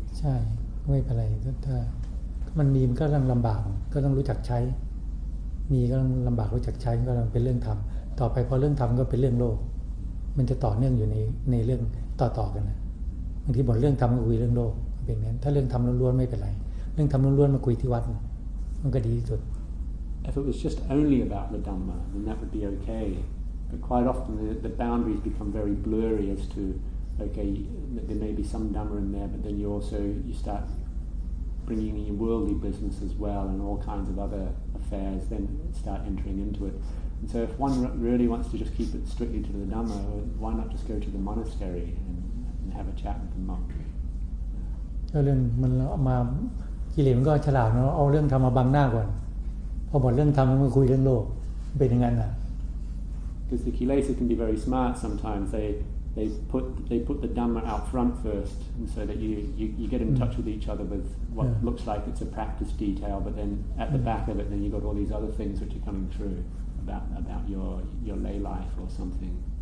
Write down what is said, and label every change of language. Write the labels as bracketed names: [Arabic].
[Thai] ใช่ไม่เป็นไรถ้ามันมีมันก็ต้องลำบากก็ต้องรู้จักใช้มีก็ต้องลำบากรู้จักใช้ก็ต้องเป็นเรื่องธรรมต่อไปพอเรื่องธรรมก็เป็นเรื่องโลกมันจะต่อเนื่องอยู่ในเรื่องต่อๆกันนะบางทีบทเรื่องธรรมก็คุยเรื่องโลกเป็นงั้นถ้าเรื่องธรรมล้วนๆไม่เป็นไรเรื่องธรรมล้วนๆมาคุยที่วัดมันก็ดีที่สุด [English] If it was just only about the Dhamma then that would be okay but quite often the boundaries become very blurry as to okay there may be some Dhamma in there but then you also you startbringing in your worldly business as well and all kinds of other affairs then start entering into it and so if one really wants to just keep it strictly to the Dhamma why not just go to the monastery and have a chat with the monk [Thai] เรื่องมันมากิเลสมันก็ฉลาดเนาะเอาเรื่องธรรมมาบังหน้าก่อนพอหมดเรื่องธรรมมันคุยเรื่องโลกเป็นยังไงน่ะ [English] Because the kilesa can be very smart sometimes they put the Dhamma out front first and so that you get in touch with each other with what yeah. looks like it's a practice detail but then at the back of it then you've got all these other things which are coming through about your lay life or something